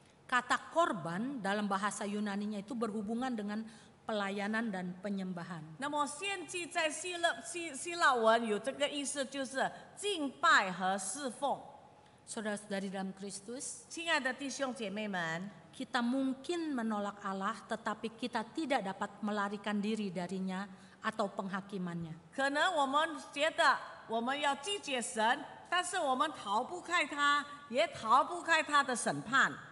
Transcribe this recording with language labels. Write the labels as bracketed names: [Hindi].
[Indonesian] Kata korban dalam bahasa Yunani-nya itu berhubungan dengan pelayanan dan penyembahan. [Chinese] Namo先祭在希腊文有这个意思，就是敬拜和侍奉。 [Indonesian] Saudara-saudari dalam Kristus, [Chinese] 亲爱的弟兄姐妹们, [Indonesian] kita mungkin menolak Allah, tetapi kita tidak dapat melarikan diri darinya atau penghakimannya. [Chinese] 可能我们觉得我们要拒绝神，但是我们逃不开他，也逃不开他的审判。